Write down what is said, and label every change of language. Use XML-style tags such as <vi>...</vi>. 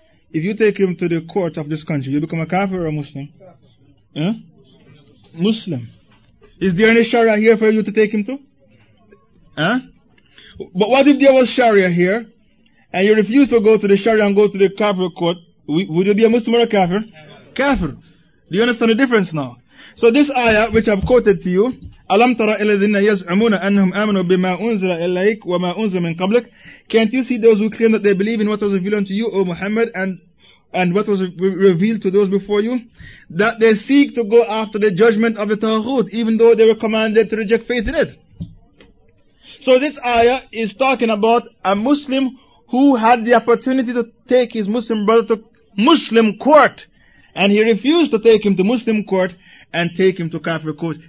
<en>If you take him to the court of this country, you become a kafir or a Muslim? Yeah? Muslim. Is there any sharia here for you to take him to? Huh? But what if there was sharia here, and you refuse to go to the sharia and go to the kafir court, would you be a Muslim or a kafir? Kafir. Do you understand the difference now? So this ayah, which I've quoted to you,</en> <ar>أَلَمْ تَرَ إِلَّذِينَ يَزْعُمُونَ أَنَّهُمْ آمَنُوا بِمَا أُنزِلَ إِلَيْكَ وَمَا أُنزِلَ مِنْ قَبْلِكَ.</ar> <en>Can't you see those who claim that they believe in what was revealed to you, O Muhammad, and what was revealed to those before you? That they seek to go after the judgment of the Taghut, even though they were commanded to reject faith in it. So this ayah is talking about a Muslim who had the opportunity to take his Muslim brother to Muslim court, and he refused to take him to Muslim court and take him to kafir court.</en>